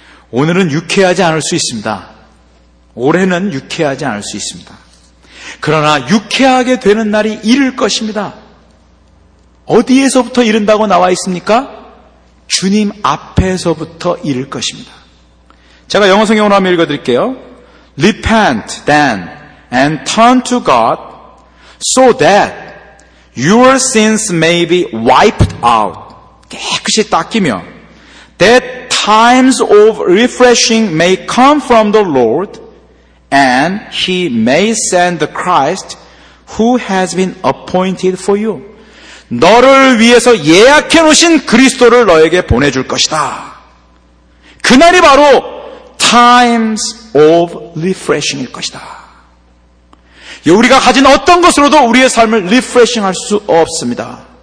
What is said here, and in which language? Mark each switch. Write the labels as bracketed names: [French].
[Korean] 오늘은 유쾌하지 않을 수 있습니다. 올해는 유쾌하지 않을 수 있습니다. 그러나 유쾌하게 되는 날이 이를 것입니다. 어디에서부터 이른다고 나와 있습니까? 주님 앞에서부터 이를 것입니다. 제가 영어성경으로 한번 읽어드릴게요. [English] Repent then and turn to God so that your sins may be wiped out. [Korean] 깨끗이 닦이며 [English] that times of refreshing may come from the Lord and He may send the Christ who has been appointed for you. [Korean] 너를 위해서 예약해 놓으신 그리스도를 너에게 보내줄 것이다. 그날이 바로 [English] times of refreshing [Korean] 일 것이다. 우리가 가진 어떤 것으로도 우리의 삶을 refreshing 할 수 없습니다.